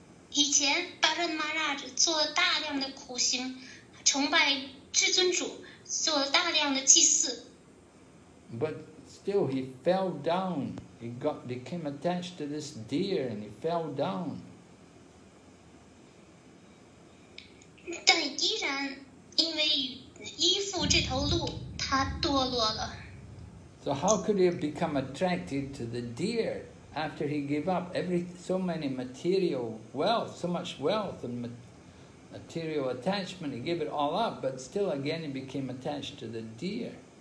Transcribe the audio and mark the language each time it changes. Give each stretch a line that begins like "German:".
Chinese: 以前, Bharat Maharaj 做了大量的苦行, 崇拜至尊主, 做了大量的祭祀。
English: But still he fell down. He became attached to this deer and he fell down.
Chinese: 但依然因为依附这头鹿, 他堕落了。
English: So how could he have become attracted to the deer after he gave up so many material wealth, so much wealth and material attachment, he gave it all up, but still again he became attached to the deer.